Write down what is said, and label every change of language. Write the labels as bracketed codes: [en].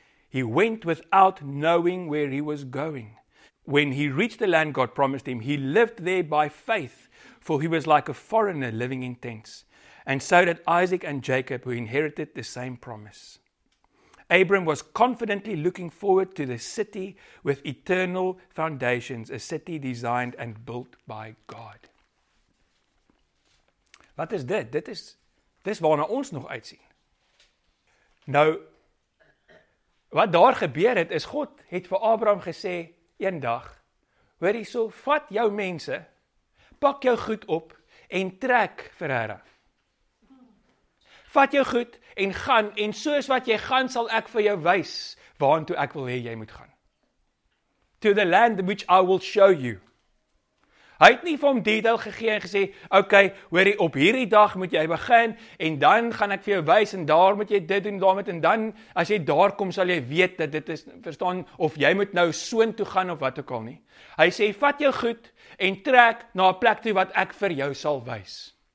[en] He went without knowing where he was going. When he reached the land God promised him, he lived there by faith, for he was like a foreigner living in tents. And so did Isaac and Jacob, who inherited the same promise. Abram was confidently looking forward to the city with eternal foundations, a city designed and built by God. [af] Wat is dit? Dit is waarna ons nog uitsien. Nou, wat daar gebeur het, is God het vir Abraham gesê, een dag, hoor hierso, vat jou mense, pak jou goed op en trek vir Haran. Vat jou goed en gaan en soos wat jy gaan sal ek vir jou wys waartoe ek wil hê jy moet gaan. [en] To the land which I will show you. [af] Hy het nie vir hom detail gegee en gesê, okay, hoorie, op hierdie dag moet jy begin en dan gaan ek vir jou wys en daar moet jy dit doen daarmee en dan as jy daar kom sal jy weet dat dit is, verstaan, of jy moet nou soontoe gaan of wat ook al nie. Hy sê, vat jou goed en trek na 'n plek toe wat ek vir jou sal wys.